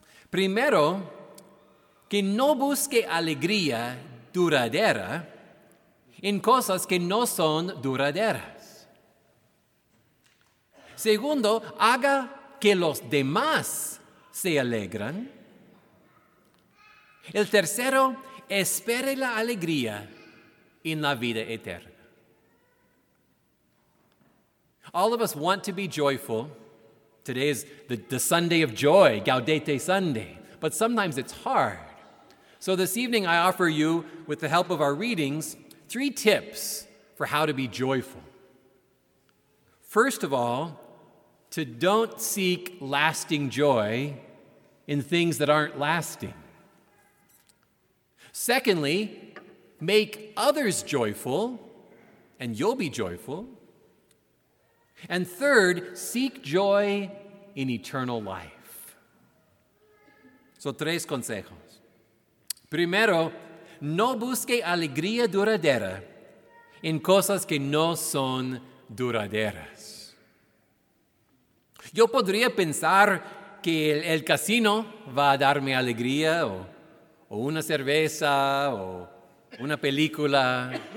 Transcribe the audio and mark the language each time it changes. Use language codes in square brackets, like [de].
[es] Primero, que no busque alegría duradera en cosas que no son duraderas. Segundo, haga que los demás se alegren. El tercero, espere la alegría en la vida eterna. [en] All of us want to be joyful. Today is the Sunday of joy, Gaudete Sunday. But sometimes it's hard. So this evening I offer you, with the help of our readings, three tips for how to be joyful. First of all, to don't seek lasting joy in things that aren't lasting. Secondly, make others joyful, and you'll be joyful. And third, seek joy in eternal life. [es] So, tres consejos. Primero, no busque alegría duradera en cosas que no son duraderas. Yo podría pensar que el casino va a darme alegría, o una cerveza, o una película.